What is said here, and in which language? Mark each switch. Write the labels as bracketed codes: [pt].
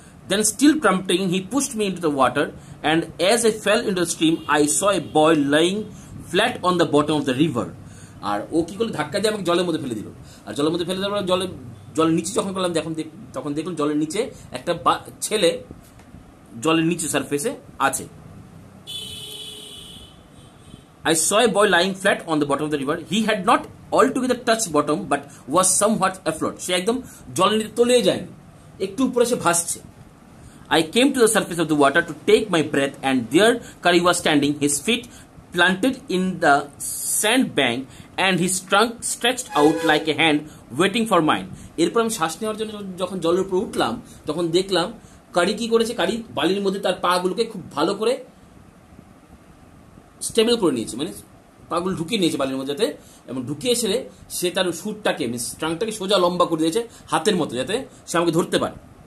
[en] then still trumpeting he pushed me into the water and as I fell into the stream I saw a boy lying flat on the bottom of the river, [bn] আর ও কী করলো ধাক্কা দিয়ে আমাকে জলের মধ্যে ফেলে দিল, আর জলের মধ্যে ফেলে দেওয়ার জলের নিচে যখন করলাম তখন দেখলাম জলের নিচে একটা ছেলে জলের নিচে সারফেসে আছে। [en] I saw a boy lying flat on the bottom of the river. He had not altogether touched bottom, but was somewhat afloat. [bn] সে একদম জলের নিচে তলিয়ে যায়নি, একটু উপরে সে ভাসছে। [en] I came to the surface of the water to take my breath, and there Kari was standing, his feet planted in the sand bank, and his trunk stretched out like a hand waiting for mine. [bn] এরপর আমি শ্বাস নেওয়ার জন্য যখন জলের উপর উঠলাম, তখন দেখলাম কারি কি করেছে, কারি বালির মধ্যে তার পা গুলোকে খুব ভালো করে স্টেবল করে নিয়েছে, মানে পাগুলো ঢুকিয়ে নিয়েছে বালির মধ্যে, যাতে এবং ঢুকিয়ে এসে সে তার সুটটাকে মিস ট্রাঙ্কটাকে সোজা লম্বা করে দিয়েছে হাতের মতো, যাতে সে আমাকে ধরতে পারে।